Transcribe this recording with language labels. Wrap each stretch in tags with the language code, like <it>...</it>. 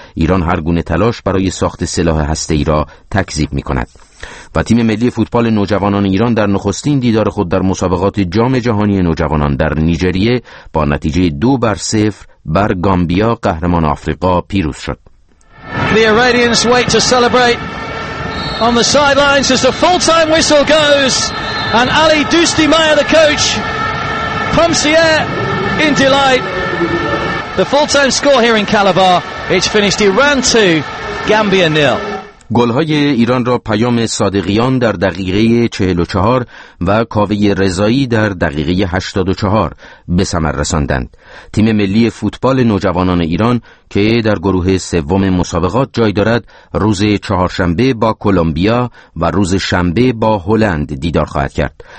<fa>ایران هر گونه تلاش برای ساخت سلاح هسته‌ای را تکذیب می کند. و تیم ملی فوتبال نوجوانان ایران در نخستین دیدار خود در مسابقات جام جهانی نوجوانان در نیجریه با نتیجه 2-0 بر گامبیا قهرمان آفریقا پیروز شد.</fa> <en>The Iranians wait to celebrate on the sidelines as the full time whistle goes and Ali Dostmeyer the coach pumps the air in delight. The full time score here in Calabar, it's finished Iran 2 Gambia 0.</en> <fa>گلهای ایران را پیام صادقیان در دقیقه 44 و کاوه رضایی در دقیقه 84 به ثمر رساندند. تیم ملی فوتبال نوجوانان ایران که در گروه سوم مسابقات جای دارد، روز چهارشنبه با کولومبیا و روز شنبه با هلند دیدار خواهد کرد.</fa>